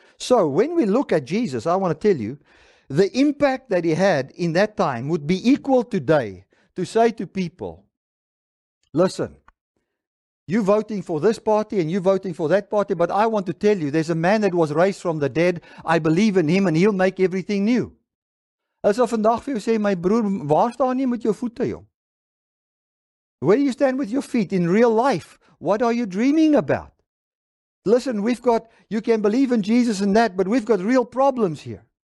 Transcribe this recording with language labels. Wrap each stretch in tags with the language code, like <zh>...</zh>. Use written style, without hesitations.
<en>So when we look at Jesus, I want to tell you, the impact that he had in that time would be equal today to say to people, listen, you're voting for this party and you're voting for that party, but I want to tell you, there's a man that was raised from the dead. I believe in him and he'll make everything new.</en> <af>Asof vandag vir jou sê, my broer, waar staan jy met jou voete, jong?</af> <en>Where do you stand with your feet in real life? What are you dreaming about? Listen, you can believe in Jesus and that, but we've got real problems here.</en>